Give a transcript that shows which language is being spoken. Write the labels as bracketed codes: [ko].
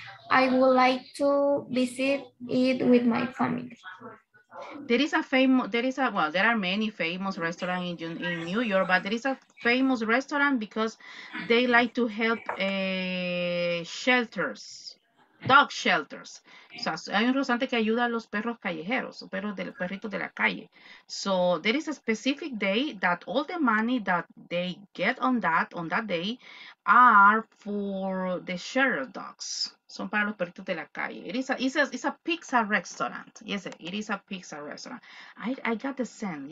[en] I would like to visit it with my family. There are many famous restaurants in New York, but there is a famous restaurant because they like to help shelters, dog shelters. [es] So, hay un restaurante que ayuda a los perros callejeros, perritos de la calle. [en] So there is a specific day that all the money that they get on that day are for the shelter dogs. [es] Son para los perritos de la calle. [en] It's a pizza restaurant. Yes, it is a pizza restaurant. I got the sense.